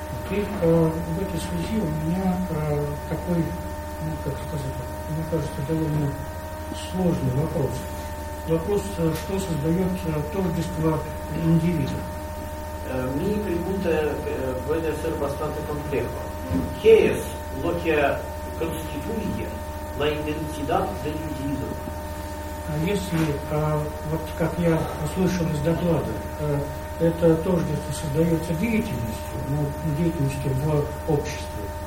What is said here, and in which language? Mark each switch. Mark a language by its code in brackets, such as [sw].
[ru] И в этой связи у меня такой, ну, как сказать, мне кажется, довольно сложный вопрос. Вопрос, что создает тождество индивида. [es] Mi pregunta puede ser bastante complejo. ¿Qué es lo que constituye la identidad del individuo? [ru] Если, вот как я услышал из доклада, это тождество создается деятельностью, ну, деятельностью в обществе.